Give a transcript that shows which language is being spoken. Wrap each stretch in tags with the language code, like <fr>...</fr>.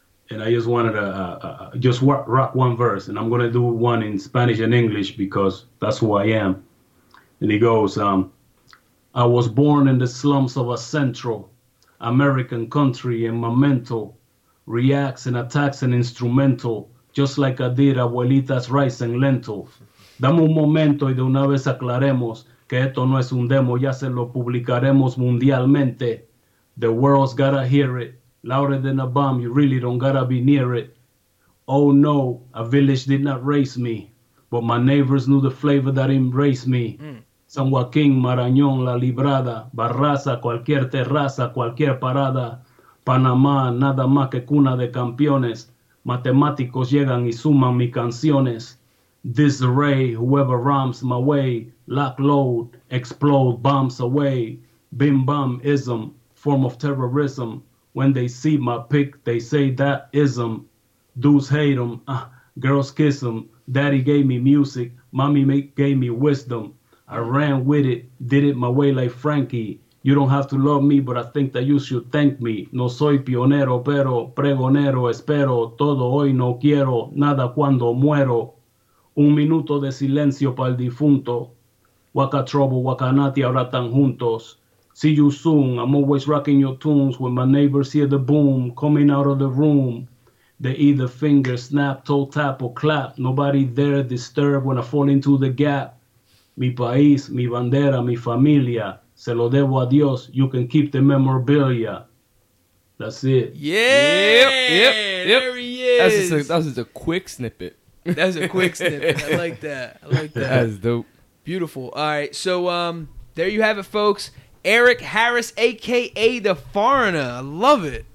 <en>and I just wanted to just rock one verse, and I'm going to do one in Spanish and English because that's who I am. And he goes, I was born in the slums of a central American country, and my mental reacts and attacks an instrumental, just like I did abuelita's rice and lentil.</en> <es>Dame un momento y de una vez aclaremos que esto no es un demo, ya se lo publicaremos mundialmente.</es> <en>The world's gotta hear it. Louder than a bomb, you really don't gotta be near it. Oh no, a village did not raise me, but my neighbors knew the flavor that embraced me.</en> <es>San Joaquin, Marañón, La Librada, Barraza, cualquier terraza, cualquier parada. Panamá, nada más que cuna de campeones. Matemáticos llegan y suman mis canciones.</es> <en>Disarray, whoever rhymes my way. Lock, load, explode, bombs away. Bim bam ism, form of terrorism. When they see my pick, they say that ism. Dudes hate them, girls kiss them. Daddy gave me music, mommy gave me wisdom. I ran with it, did it my way like Frankie. You don't have to love me, but I think that you should thank me.</en> <es>No soy pionero, pero pregonero, espero. Todo hoy no quiero, nada cuando muero. Un minuto de silencio para el difunto. Waka Trouble, Waka Nati, ahora tan juntos.</es> <en>See you soon, I'm always rocking your tunes. When my neighbors hear the boom coming out of the room, they either finger snap, toe tap, or clap. Nobody there disturb when I fall into the gap.</en> <es>Mi país, mi bandera, mi familia. Se lo debo a Dios.</es> <en>You can keep the memorabilia. That's it. Yeah. There he is. That's just a quick snippet. That's a quick snippet. I like that. That's dope. Beautiful. All right. So there you have it, folks. Eric Harris, a.k.a. The Foreigner. I love it.</en>